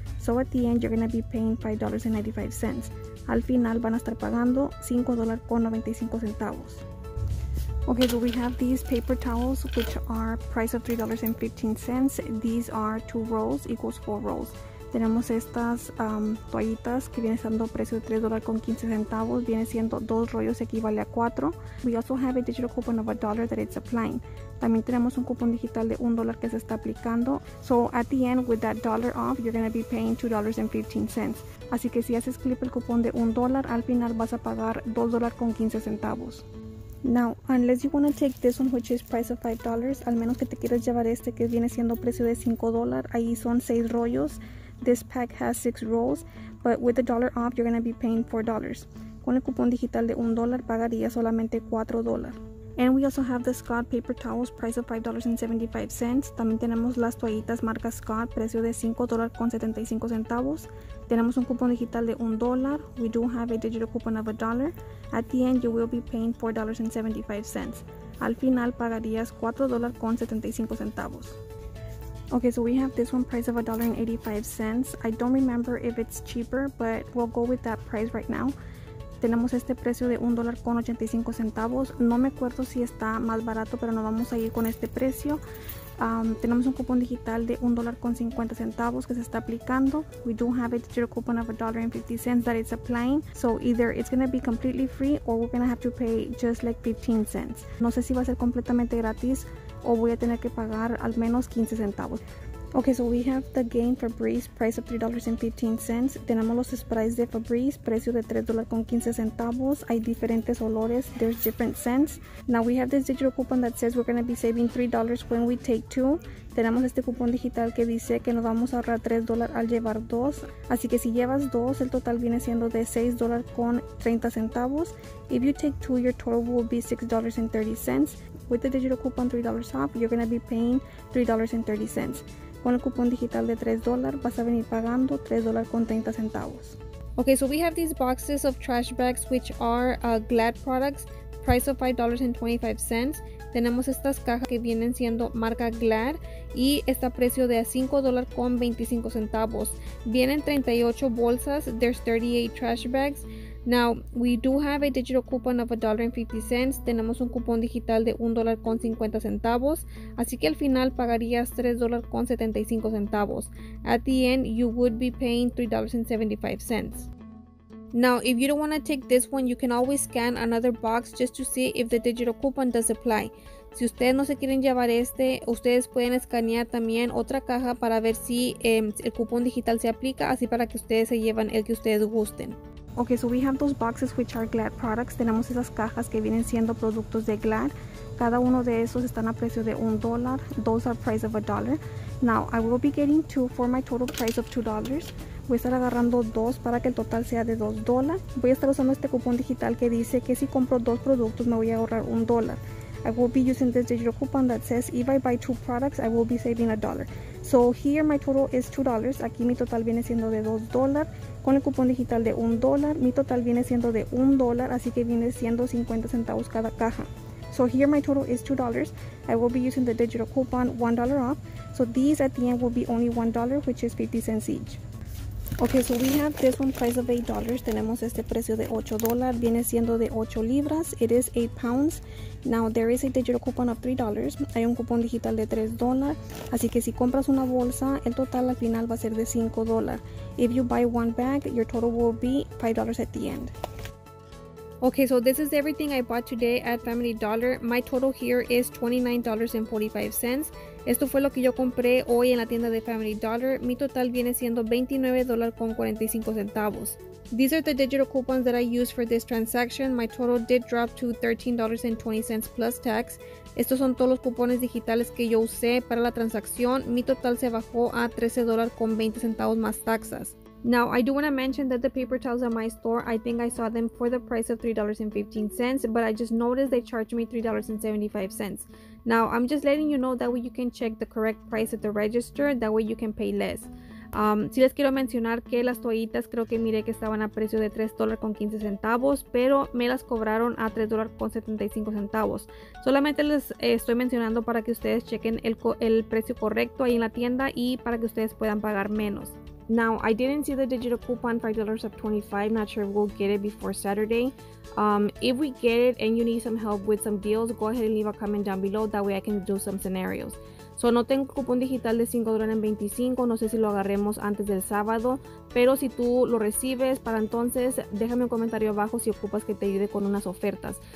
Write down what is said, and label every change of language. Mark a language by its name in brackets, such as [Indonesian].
[English] So at the end, you're going to be paying $5.95. [Spanish] Al final, van a estar pagando $5.95. [English] Okay, so we have these paper towels, which are price of $3.15. These are 2 rolls equals 4 rolls. [Spanish] Tenemos estas toallitas que vienen siendo precio de $3.15. Viene siendo 2 rollos equivale a 4. [English] We also have a digital coupon of $1 that it's applying. [Spanish] También tenemos un cupón digital de $1 que se está aplicando. [English] So at the end, with that dollar off, you're going to be paying $2.15. [Spanish] Así que si haces clip el cupón de $1, al final vas a pagar $2.15. [English] Now, unless you want to take this one, which is price of $5, [Spanish] al menos que te quieras llevar este que viene siendo precio de $5, ahí son 6 rollos. [English] This pack has 6 rolls, but with the dollar off, you're going to be paying $4. [Spanish] Con el cupón digital de $1, pagaría solamente $4. [English] And we also have the Scott paper towels, price of $5.75. [Spanish] También tenemos las toallitas marca Scott, precio de $5.75. Tenemos un cupón digital de $1. [English] We do have a digital coupon of $1. At the end, you will be paying $4.75. [Spanish] Al final, pagarías $4.75. [English] Okay, so we have this one, price of $1.85. I don't remember if it's cheaper, but we'll go with that price right now. [Spanish] Tenemos este precio de $1.85. No me acuerdo si está más barato, pero no vamos a ir con este precio. Tenemos un cupón digital de $1.50 que se está aplicando. [English] We do have a digital coupon of $1.50 that it's applying. So either it's going to be completely free or we're going to have to pay just like 15 cents. [Spanish] No sé si va a ser completamente gratis o voy a tener que pagar al menos 15 centavos. [English] Okay, so we have the Gain Febreze, price of $3.15. [Spanish] Tenemos los sprays de Febreze, precio de $3.15. Hay diferentes olores, [English] there's different scents. Now we have this digital coupon that says we're going to be saving $3 when we take 2. [Spanish] Tenemos este cupón digital que dice que nos vamos a ahorrar $3 al llevar 2. Así que si llevas 2, el total viene siendo de $6.30. [English] If you take 2, your total will be $6.30. With the digital coupon $3 off, you're going to be paying $3.30. [Spanish] Con el cupón digital de $3, vas a venir pagando $3.30. [English] Okay, so we have these boxes of trash bags, which are Glad products, price of $5.25. [Spanish] Tenemos estas cajas que vienen siendo marca Glad y está a precio de $5.25. Vienen 38 bolsas, [English] there's 38 trash bags. Now, we do have a digital coupon of $1.50. [Spanish] Tenemos un cupón digital de $1.50. Así que al final pagarías $3.75. [English] At the end, you would be paying $3.75. Now, if you don't want to take this one, you can always scan another box just to see if the digital coupon does apply. [Spanish] Si ustedes no se quieren llevar este, ustedes pueden escanear también otra caja para ver si el cupón digital se aplica, así para que ustedes se lleven el que ustedes gusten. [English] Okay, so we have those boxes which are Glad products. [Spanish] Tenemos esas cajas que vienen siendo productos de Glad. Cada uno de esos están a precio de $1. [English] Those are price of $1. Now, I will be getting 2 for my total price of $2. [Spanish] Voy a estar agarrando 2 para que el total sea de $2. Voy a estar usando este cupón digital que dice que si compro 2 productos me voy a ahorrar $1. [English] I will be using this digital coupon that says if I buy 2 products, I will be saving $1. So here my total is $2. [Spanish] Aquí mi total viene siendo de $2. Con el cupón digital de $1, mi total viene siendo de $1, así que viene siendo 50 centavos cada caja. [English] So here my total is $2. I will be using the digital coupon $1 off. So these at the end will be only $1, which is 50 cents each. Okay, so we have this one price of $8. [Spanish] Tenemos este precio de $8. Viene siendo de 8 libras. [English] It is 8 pounds. Now, there is a digital coupon of $3. [Spanish] Hay un cupón digital de $3. Así que si compras una bolsa, el total al final va a ser de $5. [English] If you buy one bag, your total will be $5 at the end. Okay, so this is everything I bought today at Family Dollar. My total here is $29.45. [Spanish] Esto fue lo que yo compré hoy en la tienda de Family Dollar. Mi total viene siendo $29.45. [English] These are the digital coupons that I used for this transaction. My total did drop to $13.20 plus tax. [Spanish] Estos son todos los cupones digitales que yo usé para la transacción. Mi total se bajó a $13.20 más taxas. [English] Now, I do want to mention that the paper towels at my store, I think I saw them for the price of $3.15, but I just noticed they charged me $3.75. Now, I'm just letting you know that way you can check the correct price at the register, that way you can pay less. [Spanish] Sí les quiero mencionar que las toallitas creo que miré que estaban a precio de $3.15, pero me las cobraron a $3.75. Solamente les estoy mencionando para que ustedes chequen el precio correcto ahí en la tienda y para que ustedes puedan pagar menos. [English] Now, I didn't see the digital coupon, $5.25. Not sure if we'll get it before Saturday. If we get it and you need some help with some deals, go ahead and leave a comment down below. That way I can do some scenarios. So, [Spanish] no tengo cupón digital de $5.25. No sé si lo agarremos antes del sábado. Pero si tú lo recibes para entonces, déjame un comentario abajo si ocupas que te ayude con unas ofertas.